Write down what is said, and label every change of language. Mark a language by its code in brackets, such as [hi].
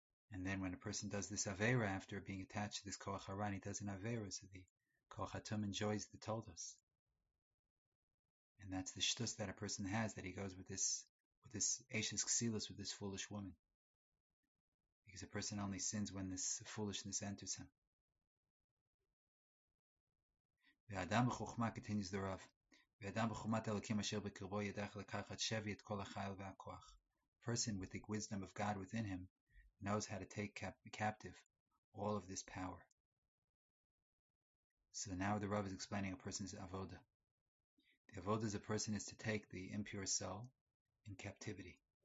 [en] And then when a person does this Aveira, after being attached to this Koach Hara, he does an Aveira, so the Koach HaTumah enjoys the toldos. And that's the shtus that a person has, that he goes with this Eshes Ksilus, with this foolish woman. Because a person only sins when this foolishness enters him. [he] ואדם בחוכמה, [en] continues the Rav, [he] ואדם בחוכמת אלוקים אשר בקרבו ידח לקחת שבי את כל החיל והכוח. [en] Person with the wisdom of God within him knows how to take captive all of this power. So now the Rav is explaining a person's avoda. The avoda is a person is to take the impure soul in captivity.